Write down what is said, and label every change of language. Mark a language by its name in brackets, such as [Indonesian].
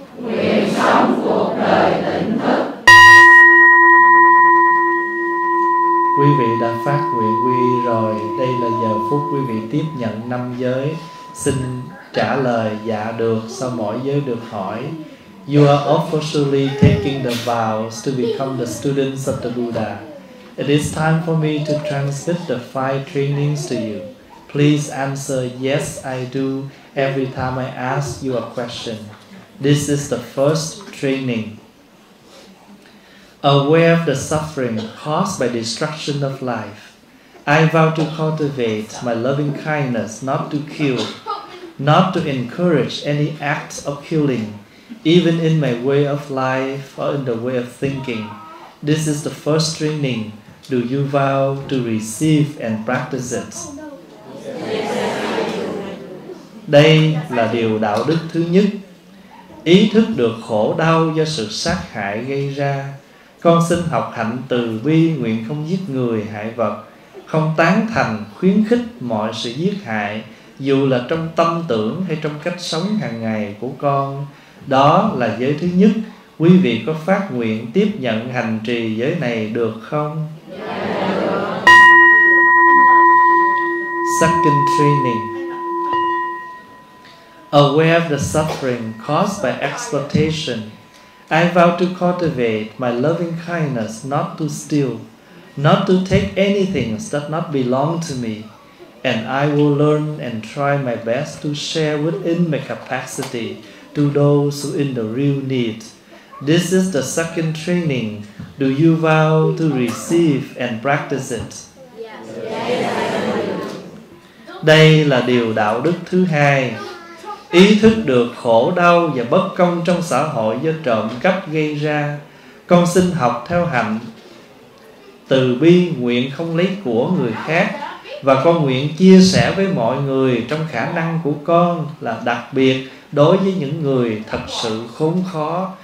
[Vietnamese] Nguyện sống cuộc đời tỉnh thức. Quý vị đã phát nguyện quy rồi, đây là giờ phút quý vị tiếp nhận năm giới. Xin trả lời dạ được sau mỗi giới được hỏi. [English] You are officially taking the vows to become the students of the Buddha. It is time for me to transmit the five trainings to you. Please answer yes I do every time I ask you a question. This is the first training. Aware of the suffering caused by destruction of life, I vow to cultivate my loving kindness not to kill, not to encourage any acts of killing, even in my way of life or in the way of thinking. This is the first training. Do you vow to receive and practice it? [Vietnamese] Đây là điều đạo đức thứ nhất. Ý thức được khổ đau do sự sát hại gây ra, con xin học hạnh từ bi, nguyện không giết người hại vật, không tán thành khuyến khích mọi sự giết hại, dù là trong tâm tưởng hay trong cách sống hàng ngày của con. Đó là giới thứ nhất. Quý vị có phát nguyện tiếp nhận hành trì giới này được không? [English] Second training. Aware of the suffering caused by exploitation, I vow to cultivate my loving kindness not to steal, not to take anything that does not belong to me, and I will learn and try my best to share within my capacity to those who in the real need. This is the second training. Do you vow to receive and practice it? Yes. [Vietnamese] Đây là điều đạo đức thứ hai. Ý thức được khổ đau và bất công trong xã hội do trộm cắp gây ra, con xin học theo hạnh từ bi, nguyện không lấy của người khác, và con nguyện chia sẻ với mọi người trong khả năng của con, là đặc biệt đối với những người thật sự khốn khó.